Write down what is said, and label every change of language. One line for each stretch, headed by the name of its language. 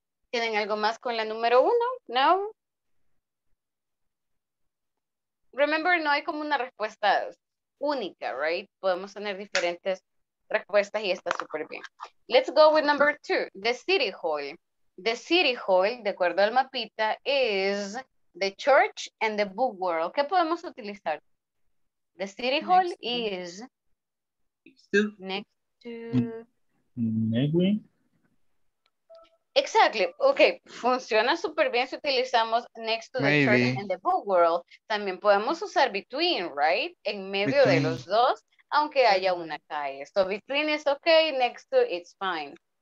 Spanish: ¿Tienen algo más con la número uno? No. Remember, no hay como una respuesta única, right? Podemos tener diferentes respuestas y está súper bien.
English: Let's go with number two, the City Hall. The City Hall,
Spanish: de acuerdo al mapita,
English: is the church and the book world.
Spanish: ¿Qué podemos utilizar?
English: The City Hall next is to. Next to... Maybe. Exactly. Okay,
Spanish: funciona súper bien si utilizamos
English: next to the church and the book world.
Spanish: También podemos usar between,
English: right?
Spanish: En medio between. De los dos, aunque haya una calle.
English: So between is okay, next to it's fine.